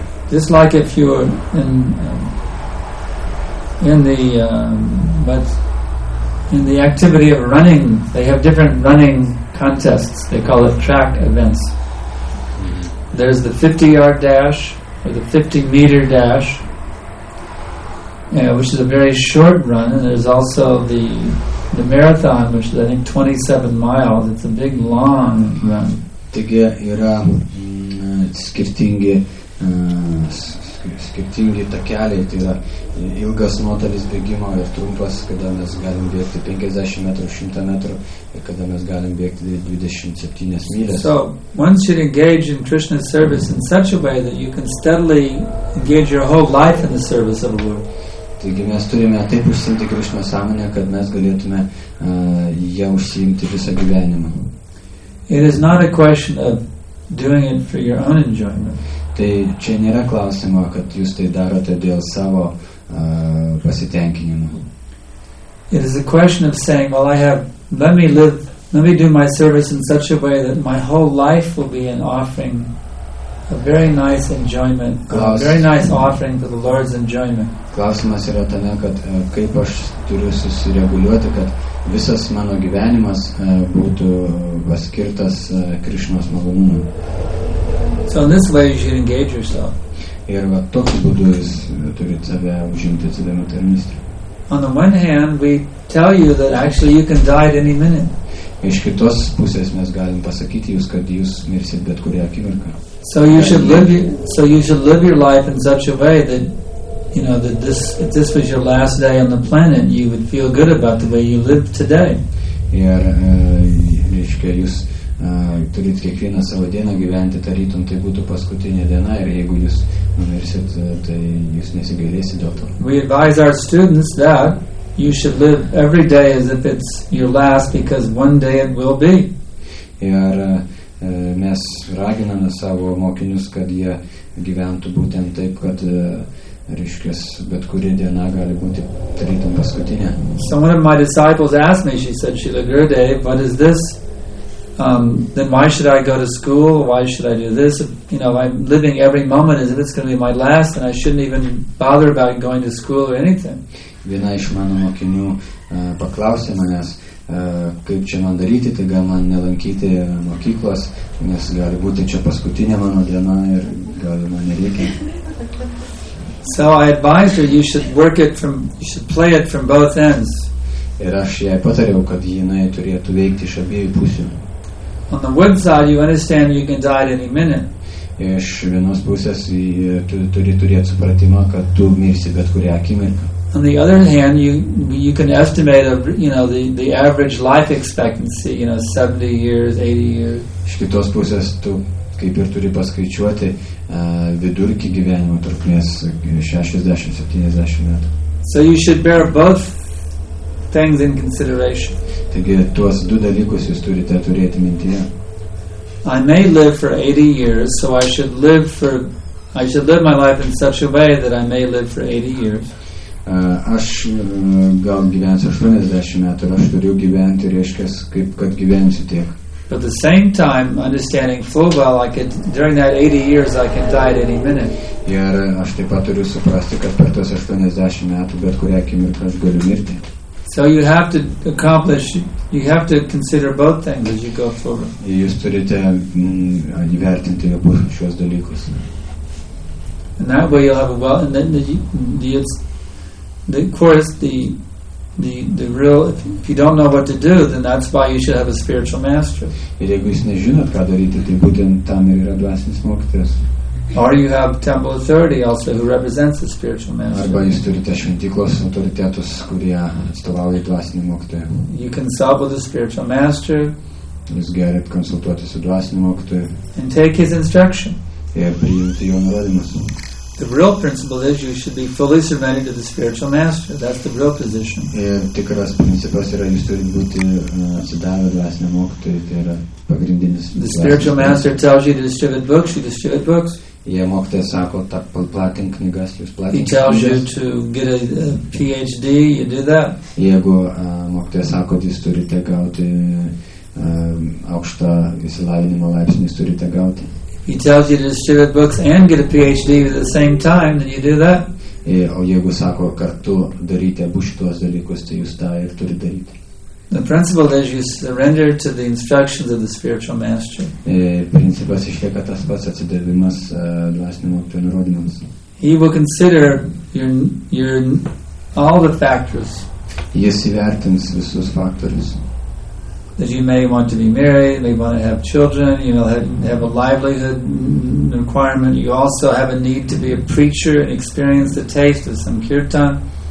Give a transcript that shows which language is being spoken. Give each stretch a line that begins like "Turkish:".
English: Just like if you were in the activity of running, they have different running contests. They call it track events. There's the 50-yard dash or the 50-meter dash, which is a very short run, and there's also the marathon, which is, I think, 27 miles. It's a big, long run.
Lithuanian: Taigi yra skirtingi takeliai, tai yra ilgas nuotolis bėgimo ir trumpas, kada mes galim bėgti 50 metrų, 100 metrų ir kada mes galim bėgti 27 mylės.
English: So, one should engage in Krishna's service in such a way that you can steadily engage your whole life in the service of the Lord.
Lithuanian: Taigi mes turime taip užsiimti Krishna sąmonę, kad mes galėtume ją užsiimti visą gyvenimą.
English: It is not a question of doing it for your own enjoyment.
Lithuanian: Tai čia nėra klausimo, kad jūs tai darote dėl savo pasitenkinimo.
English: It is a question of saying, well, I have, let me do my service in such a way that my whole life will be an offering a very nice enjoyment, a very nice offering to the Lord's enjoyment.
Lithuanian: Klausimas yra tame, kad kaip aš turiu susireguliuoti, kad visas mano gyvenimas būtų paskirtas Krišnos malonumui.
English: So in this way you should engage yourself.
Lithuanian: Ir va, tokiu būdu jūs turit save užimti, atsidami tarnystę.
English: On the one hand, we tell you that actually you can die at any minute.
Lithuanian: Iš kitos pusės mes galim pasakyti jūs, kad jūs mirsit bet kurią akimirką.
English: So you should live your life in such a way that, you know, that this, if this was your last day on the planet, you would feel good about the way you live today.
Lithuanian: Ir, reiškia, jūs turit kiekvieną savo dieną gyventi tarytum, tai būtų paskutinė diena, ir jeigu jūs numirsit, tai jūs nesigailėsit dėl to.
English: We advise our students that you should live every day as if it's your last, because one day it will be.
Lithuanian: Ir mes raginame savo mokinius, kad jie gyventų būtent taip, kad reiškias, bet kuri diena gali būti tarytum paskutinė.
English: Someone of my disciples asked me, she said, Srila Gurudev, what is this? Then why should I go to school? Why should I do this? You know, I'm living every moment as if it's going to be my last, and I shouldn't even bother about going to school or anything.
Lithuanian: Viena iš mano mokinių paklausė manęs, kaip čia man daryti, tai gal man nelankyti mokyklos, nes gali būti čia paskutinė mano diena ir gal man nereikia.
English: So I advised her, you should play it from both ends.
Lithuanian: Ir aš jai patariau, kad jinai turėtų veikti iš abiejų pusių.
English: On the one side, you understand you can die at any minute.
Lithuanian: Iš vienos pusės turi turėti supratimą, kad tu mirsi bet kurią akimirką.
English: On the other hand, you can estimate the average life expectancy, you know, 70 years, 80 years.
Lithuanian: Iš kitos pusės tu kaip ir turi paskaičiuoti vidurkį gyvenimo trukmės 60-70 metų.
English: So you should bear both things in consideration.
Lithuanian: Taigi tuos du dalykus jūs turite turėti mintyje.
English: I may live for 80 years, so I should live my life in such a way that I may live for 80 years.
Lithuanian: Aš gal gyvensiu 80 metų, aš turiu gyventi, reiškia, kaip kad gyvensiu tiek.
English: But at the same time, understanding full well, I could, during that 80 years, I can die at any minute.
Lithuanian: Ir aš taip pat turiu suprasti, kad per tos 80 metų, bet kurią akimirką aš galiu mirti.
English: So you have to accomplish, you have to consider both things as you go forward.
Lithuanian: Jūs turite įvertinti abu šios dalykus.
English: And that way you'll have a well, and then if you don't know what to do, then that's why you should have a spiritual master.
Lithuanian: Ir jeigu jūs nežinot, ką daryti, tai būtent tam ir yra dvasinis mokytojas.
English: Or you have temple authority also who represents the spiritual master.
Lithuanian: Arba jūs turite šventyklos autoritetus, kurie atstovauja dvasinį mokytoją.
English: You consult with the spiritual master.
Lithuanian: Jūs galite konsultuoti su dvasiniu mokytoju.
English: And take his instruction.
Lithuanian: Ir priimti jo nurodymus.
English: The real principle is you should be fully surrendered to the spiritual master. That's the real position.
Lithuanian: Ir tikras principas yra, jūs turite būti atsidavę dvasiniam mokytojui, tai yra pagrindinis.
English: The spiritual master tells you to distribute books, you distribute books.
Lithuanian: Jei mokytojas sako, platink knygas, jūs platinkite.
English: He tells you to get a PhD, you do that.
Lithuanian: Jeigu mokytojas sako, jūs turite gauti aukštą išsilavinimo laipsnį, jūs turite gauti.
English: He tells you to distribute books and get a PhD at the same time, then you do that.
Lithuanian: O jeigu sako kartu daryti abu šituos dalykus, tai jūs tą ir turi daryti.
English: The principle is you surrender to the instructions of the spiritual master.
Lithuanian: Principas išlieka tas pats, atsidavimas dvasinių mokytojų nurodymams.
English: He will consider your all the factors.
Lithuanian: Jis įvertins visus faktorius.
English: That you may want to be married, may want to have children, you know, have a livelihood requirement. You also have a need to be a preacher and experience the taste of some kirtan.